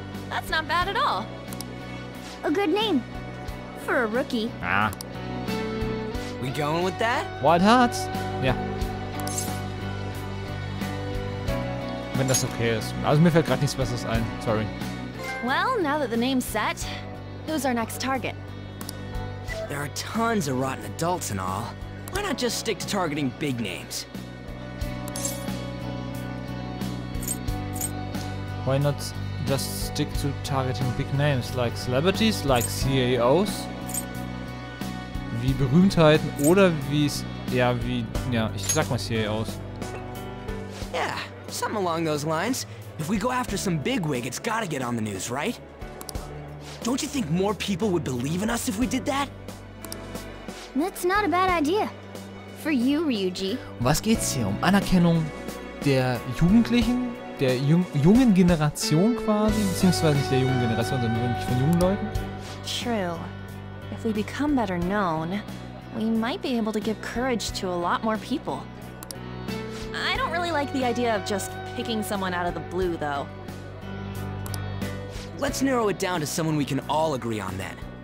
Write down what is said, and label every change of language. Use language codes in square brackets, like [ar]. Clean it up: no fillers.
[en] That's not bad at all. A good name. For a rookie. Ah. We going with that? Wild Hearts. Yeah. [de] Wenn das okay ist. Also mir fällt gerade nichts Besseres ein. [en] Sorry. Well, now that the name's set, who's our next target? There are tons of rotten adults and all. Why not just stick to targeting big names? Why not just stick to targeting big names like celebrities, like CEOs? [de] Wie Berühmtheiten oder wie es. Ja, wie. Ja, ich sag mal CEOs. [en] Yeah, something along those lines. If we go after some bigwig, it's gotta get on the news, right? Don't you think more people would believe in us if we did that? That's not a bad idea. For you, Ryuji. [de] Was geht's hier um? Anerkennung der Jugendlichen, der jungen Generation quasi, beziehungsweise nicht der jungen Generation, sondern wirklich von jungen Leuten? [en] True. If we become better known, we might be able to give courage to a lot more people. I don't really like the idea of just picking someone out of the blue, though. Let's narrow it down to someone we can all agree on, then.